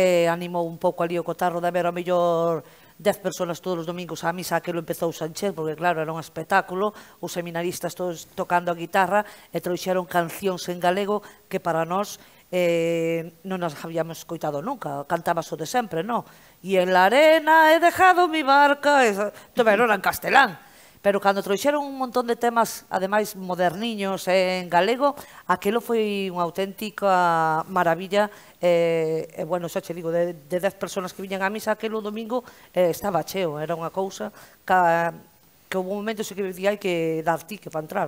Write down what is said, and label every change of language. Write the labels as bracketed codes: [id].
[gl] animou un pouco ali o cotarro de haber ao mellor 10 persoas todos os domingos á misa que lo empezou Sánchez, porque claro, era un espectáculo, os seminaristas todos tocando a guitarra e trouxeron cancións en galego que para nós non nos habíamos escoitado nunca, cantaba só de sempre, non? [es] E en la arena he dejado mi barca, [gl] tomaron en castelán. Pero cando trouxeron un montón de temas, ademais moderniños en galego, aquilo foi unha auténtica maravilla. Bueno, xa che digo, de 10 personas que viñan a misa aquilo domingo, estaba cheo, era unha cousa que houve un momento xa que dixía que dar tique para entrar.